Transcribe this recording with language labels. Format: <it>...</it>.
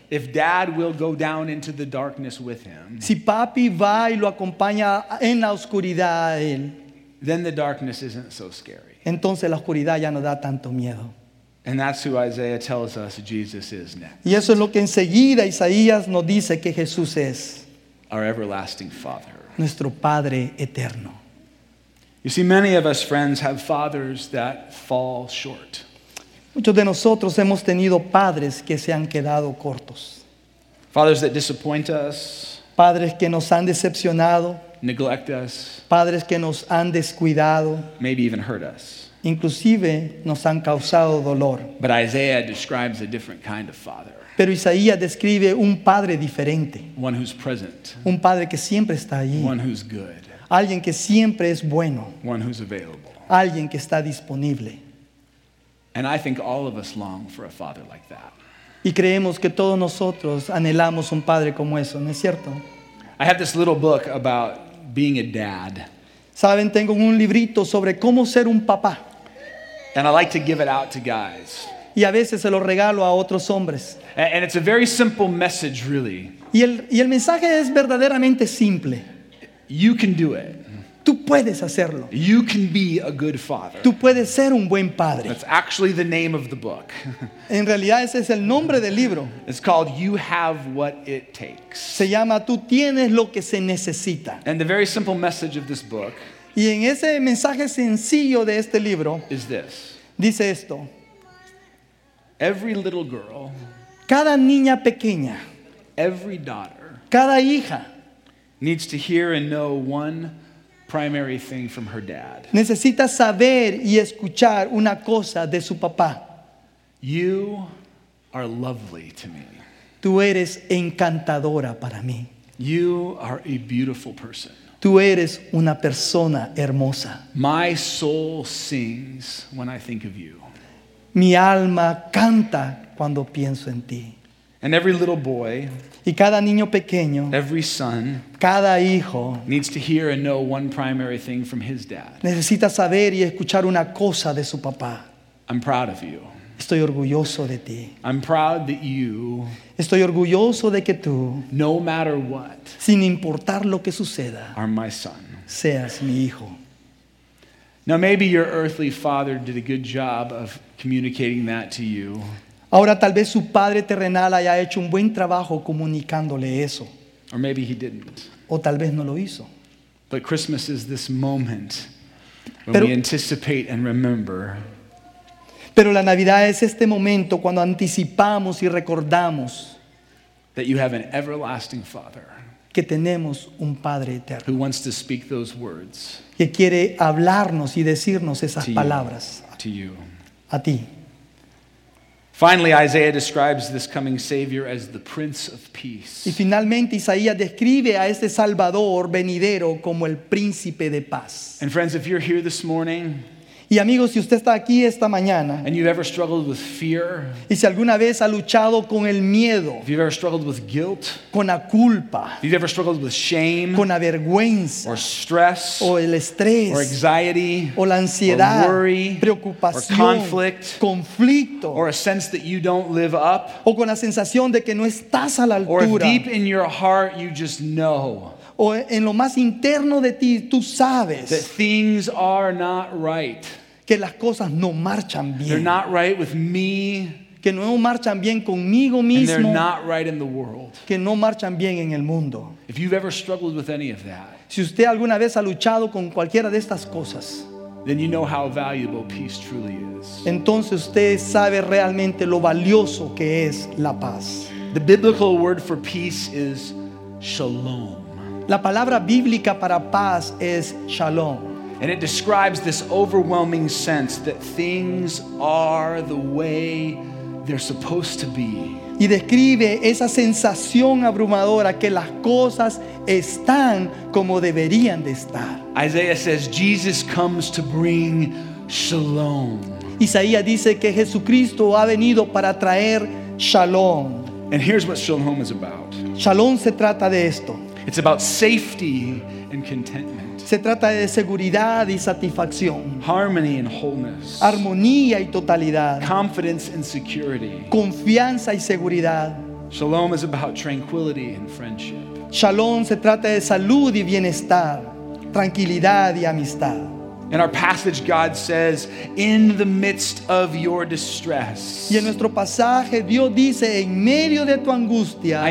<en>if Dad will go down into the darkness with him,</en> <es>si papi va y lo acompaña en la oscuridad a él,</es> <en>then the darkness isn't so scary.</en> <es>Entonces la oscuridad ya no da tanto miedo.</es> <en>And that's who Isaiah tells us Jesus is next.</en> <es>Y eso es lo que enseguida Isaías nos dice que Jesús es.</es> <en>Our everlasting Father.</en> <es>Nuestro Padre eterno.</es> <en>You see, many of us, friends, have fathers that fall short.</en> <es>Muchos de nosotros hemos tenido padres que se han quedado cortos.</es> <en>Fathers that disappoint us.</en> <es>Padres que nos han decepcionado.</es> <en>Neglect us.</en> <es>Padres que nos han descuidado.</es> <en>Maybe even hurt us.</en> <es>Inclusive nos han causado dolor.</es> <en>But Isaiah describes a different kind of father.</en> <es>Pero Isaías describe un padre diferente.</es> <en>One who's present.</en> <es>Un padre que siempre está allí.</es> <en>One who's good.</en> <es>Alguien que siempre es bueno.</es> <en>One who's available.</en> <es>Alguien que está disponible.</es> <en>And I think all of us long for a father like that.</en> <es>Y creemos que todos nosotros anhelamos un padre como eso, ¿no es cierto?</es> <en>I have this little book about being a dad.</en> <es>Saben, tengo un librito sobre cómo ser un papá.</es> <en>And I like to give it out to guys.</en> <es>Y a veces se lo regalo a otros hombres.</es> <en>And it's a very simple message, really.</en> <es>Y el mensaje es verdaderamente simple.</es> <en>You can do it.</en> <es>Tú puedes hacerlo.</es> <en>You can be a good father.</en> <es>Tú puedes ser un buen padre.</es> <en>That's actually the name of the book.</en> <es>En realidad ese es el nombre del libro.</es> <en>It's called You Have What It Takes.</en> <es>Se llama Tú Tienes Lo Que Se Necesita.</es> <en>And the very simple message of this book,</en> <es>y en ese mensaje sencillo de este libro,</es> <en>is this.</en> <es>Dice esto.</es> <en>Every little girl,</en> <es>cada niña pequeña,</es> <en>every daughter,</en> <es>cada hija,</es> <en>needs to hear and know one primary thing from her dad.</en> <es>Necesita saber y escuchar una cosa de su papá.</es> <en>You are lovely to me.</en> <es>Tú eres encantadora para mí.</es> <en>You are a beautiful person.</en> <es>Tú eres una persona hermosa.</es> <en>My soul sings when I think of you.</en> <es>Mi alma canta cuando pienso en ti.</es> <en>And every little boy,</en> <es>y cada niño pequeño,</es> <en>every son,</en> <es>cada hijo,</es> <en>needs to hear and know one primary thing from his dad.</en> <es>Necesita saber y escuchar una cosa de su papá.</es> <en>I'm proud of you.</en> <es>Estoy orgulloso de ti.</es> <en>I'm proud that you,</en> <es>estoy orgulloso de que tú,</es> <en>no matter what,</en> <es>sin importar lo que suceda,</es> <en>are my son,</en> <es>seas mi hijo.</es> <en>Now maybe your earthly father did a good job of communicating that to you.</en> <es>Ahora tal vez su padre terrenal haya hecho un buen trabajo comunicándole eso.</es> <en>Or maybe he didn't.</en> <es>O tal vez no lo hizo.</es> <en>But Christmas is this moment when we anticipate and remember.</en> <es>Pero la Navidad es este momento cuando anticipamos y recordamos</es> <en>that you have an everlasting father</en> <es>que tenemos un padre eterno</es> <en>who wants to speak those words</en> <es>que quiere hablarnos y decirnos esas palabras</es> <en>to you.</en> <es>A ti.</es> <en>Finally, Isaiah describes this coming Savior as the Prince of Peace.</en> <es>Y finalmente, Isaías describe a este Salvador venidero como el Príncipe de Paz.</es> <en>And friends, if you're here this morning,</en> <es>Y amigos, si usted está aquí esta mañana,</es> <en>and you've ever struggled with fear,</en> <es>y si alguna vez ha luchado con el miedo,</es> <en>if you've ever struggled with guilt,</en> <es>con la culpa,</es> <en>if you've ever struggled with shame,</en> <es>con la vergüenza,</es> <en>or stress,</en> <es>o el estrés,</es> <en>or anxiety,</en> <es>o la ansiedad,</es> <en>or worry,</en> <es>preocupación,</es> <en>or conflict,</en> <es>conflicto,</es> <en>or a sense that you don't live up,</en> <es>o con la sensación de que no estás a la altura,</es> <en>or deep in your heart you just know,</en> <es>o en lo más interno de ti tú sabes,</es> <en>that things are not right,</en> <es>que las cosas no marchan bien,</es> <en>they're not right with me,</en> <es>que no marchan bien conmigo mismo,</es> <en>and they're not right in the world,</en> <es>que no marchan bien en el mundo.</es> <en>If you've ever struggled with any of that,</en> <es>si usted alguna vez ha luchado con cualquiera de estas cosas,</es> <en>then you know how valuable peace truly is.</en> <es>Entonces usted sabe realmente lo valioso que es la paz.</es> <en>The biblical word for peace is shalom.</en> <es>La palabra bíblica para paz es shalom.</es> <en>And it describes this overwhelming sense that things are the way they're supposed to be.</en> <es>Y describe esa sensación abrumadora que las cosas están como deberían de estar.</es> <en>Isaiah says Jesus comes to bring shalom.</en> <es>Isaías dice que Jesucristo ha venido para traer shalom.</es> <en>And here's what shalom is about.</en> <es>Shalom se trata de esto.</es> <en>It's about safety and contentment.</en> <es>Se trata de seguridad y satisfacción.</es> <en>Harmony and wholeness.</en> <es>Armonía y totalidad.</es> <en>Confidence and security.</en> <es>Confianza y seguridad.</es> <en>Shalom is about tranquility and friendship.</en> <es>Shalom se trata de salud y bienestar, tranquilidad y amistad.</es> <en>In our passage, God says, "In the midst of your distress."</en> <es>Y en nuestro pasaje, Dios dice, en medio de tu angustia,</es>